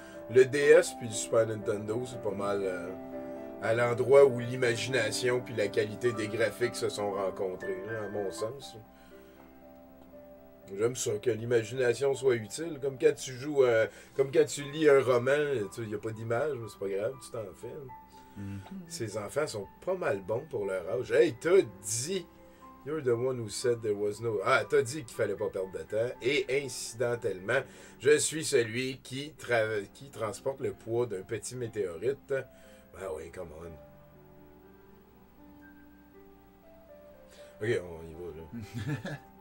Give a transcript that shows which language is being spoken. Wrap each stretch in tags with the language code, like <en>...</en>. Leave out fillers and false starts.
<fr>Le DS puis le Super Nintendo, c'est pas mal à l'endroit où l'imagination puis la qualité des graphiques se sont rencontrés, hein, à mon sens. J'aime ça que l'imagination soit utile. Comme quand tu joues, comme quand tu lis un roman, tu sais, y a pas d'image, mais c'est pas grave, tu t'en filmes. Mm-hmm. Ces enfants sont pas mal bons pour leur âge.</fr> <en>Hey,</en> <fr>t'as dit,</fr> <en>you're the one who said there was no...</en> <fr>Ah, t'as dit qu'il fallait pas perdre de temps. Et incidentellement, je suis celui qui transporte le poids d'un petit météorite. Ben oui,</fr> <en>come on.</en> <fr>OK, on y va, là.</fr>